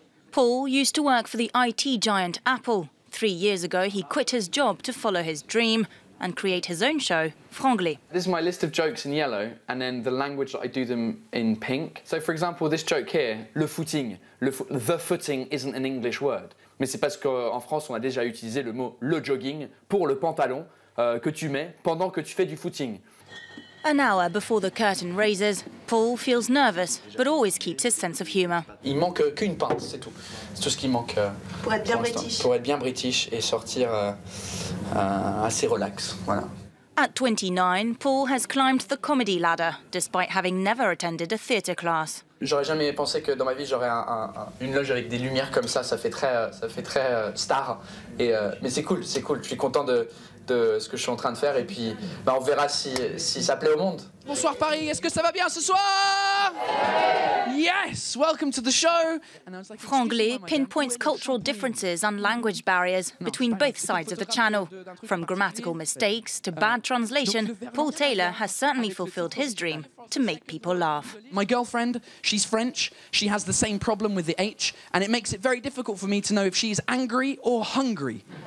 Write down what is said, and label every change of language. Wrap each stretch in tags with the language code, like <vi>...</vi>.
<en>Paul used to work for the IT giant Apple. 3 years ago, he quit his job to follow his dream and create his own show, Frangli. This is my list of jokes in yellow, and then the language that I do them in pink. So, for example, this joke here,</en> <fr>le footing.</fr> <en>The footing isn't an English word.</en> <fr>Mais c'est parce qu'en France, on a déjà utilisé le mot le jogging pour le pantalon que tu mets pendant que tu fais du footing.</fr> <en>An hour before the curtain raises, Paul feels nervous, but always keeps his sense of humour.</en> <fr>Il manque qu'une pinte, c'est tout. C'est tout ce qui manque. Pour être bien british. Pour être bien british et sortir assez relax, voilà.</fr> <en>At 29, Paul has climbed the comedy ladder, despite having never attended a theatre class.</en> <fr>J'aurais jamais pensé que dans ma vie j'aurais une loge avec des lumières comme ça. Ça fait très star. Mais c'est cool. Je suis content de ce que je suis en train de faire. Et puis, bah, on verra si ça plaît au monde. Bonsoir Paris. Est-ce que ça va bien ce soir?</fr> <en>Yes. Welcome to the show. Frangli pinpoints cultural differences and language barriers between both sides of the channel. From grammatical mistakes to bad translation, Paul Taylor has certainly fulfilled his dream to make people laugh. My girlfriend, she's French, she has the same problem with the H, and it makes it very difficult for me to know if she's angry or hungry.</en>